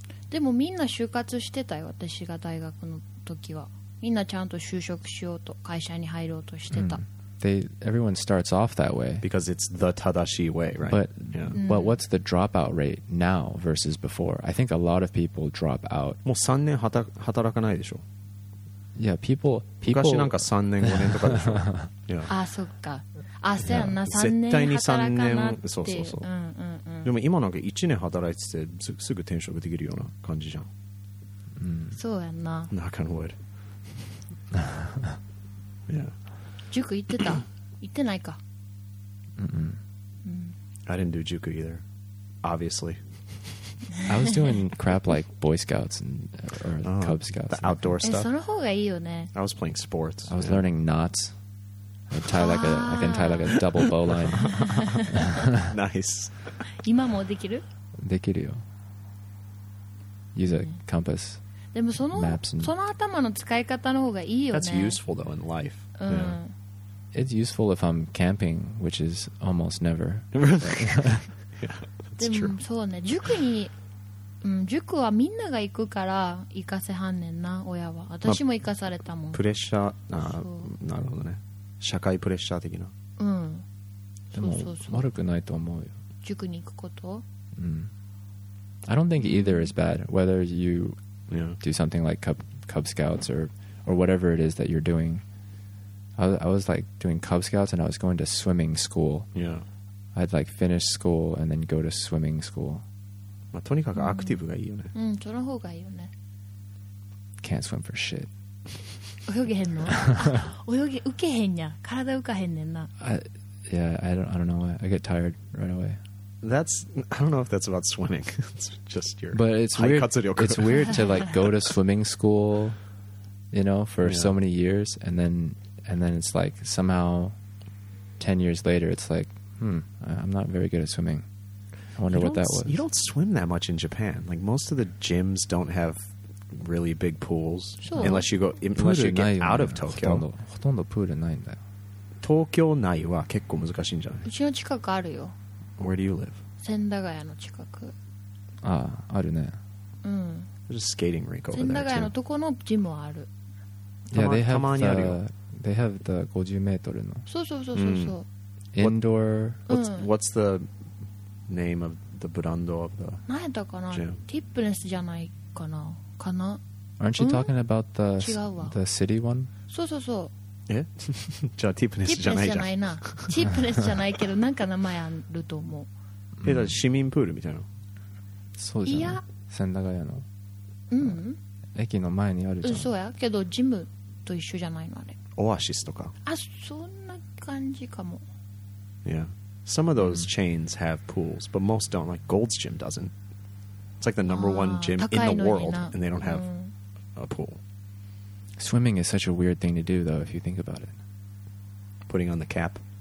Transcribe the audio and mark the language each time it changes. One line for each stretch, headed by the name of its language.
Japanese: でもみんな就活してたよ私が大学の時はみんなちゃんと就職しようと会社に入ろうとしてた、
English: everyone starts off that way because it's the
Japanese: 正しい
English: way right but,、but what's the dropout rate now versus before I think a lot of people drop out
Japanese: もう3年働かないでしょ
English: yeah people
Japanese: 昔なんか3年5年とかでしょ
English: yeah.
Japanese: ああそっかあせやんな3年働かなって絶対に3年そうそうそう、うんでも今なんか1年働いててすぐ転職できるような感じじゃん、そうやんな
English: Knock on wood
Japanese: 塾行ってた行ってないか、
English: I didn't do 塾 either obviously I was doing crap like Boy Scouts and, or Cub Scouts the outdoor stuff
Japanese: その方がいいよね
English: I was playing sports I was learning knots I, tie like a, I can tie like a double bow line nice
Japanese: 今もできる？できるよ。
English: Use a compass.
Japanese: でもその
English: maps and
Japanese: その頭の使い方の方がいいよね。
English: That's useful though in life. Yeah. It's useful if I'm camping, which is almost never. Yeah, that's true.
Japanese: でもそうね。塾に、塾はみんなが行くから行かせはんねんな親は。私も行かされたもん。プレッシャー、あ、なるほどね。社会プレッシャー的な。うん。そうそうそう。でも悪くないと思うよ。塾に行くこと?
English: I don't think either is bad. Whether you do something like Cub Scouts or whatever it is that you're doing. I was like doing Cub Scouts and I was going to swimming school. Yeah. I'd like finish school and then go to swimming school.
Japanese: まあ、とにかくアクティブがいいよね。うん、その方がいいよね。
English: Can't swim for shit.
Japanese: 泳げへんの? 泳げ、浮けへんや。体浮かへんねんな。
English: Yeah, I don't know why. I get tired right away. That's, I don't know if that's about swimming. It's just your, but it's weird. It's weird to like go to swimming school, you know, for so many years, and then it's like somehow 10 years later, it's like, I'm not very good at swimming. I wonder what that was. You don't swim that much in Japan. Like most of the gyms don't have really big pools unless you go, unless you get out of Tokyo.
Japanese: ほとんどプールないんだよ。東京内は結構難しいんじゃない？うちの近くあるよ。
English: Where do you live?
Japanese: 千駄ヶ谷の近く。ああ、あるね。うん。
English: There's a skating rink over there too.
Japanese: 千駄ヶ谷のとこのジムはある。
English: Yeah, they have they have the
Japanese: 50メートルの。そうそうそうそう。
English: Indoor. What's the name of the brand of the gym?
Japanese: 何やったかな？ティップネスじゃないかな？かな？ Aren't you talking about the city one? そうそうそう。え？じゃあティップネスじゃないじゃん。ティップネスじゃないな。ティップネスじゃないけどなんか名前あると思う。え、だって市民プールみたいな。そうじゃん。いや。千駄ヶ谷の。うん。駅の前にあるじゃん。うん、そうやけどジムと一緒じゃないのあれ。オアシスとか。あ、そんな感じかも。
English: Yeah. Some of those chains have pools, but most don't. Like Gold's Gym doesn't. It's like the number one gym in the world, and they don't have a pool. Swimming is such a weird thing to do, though, if you think about it. Putting on the cap?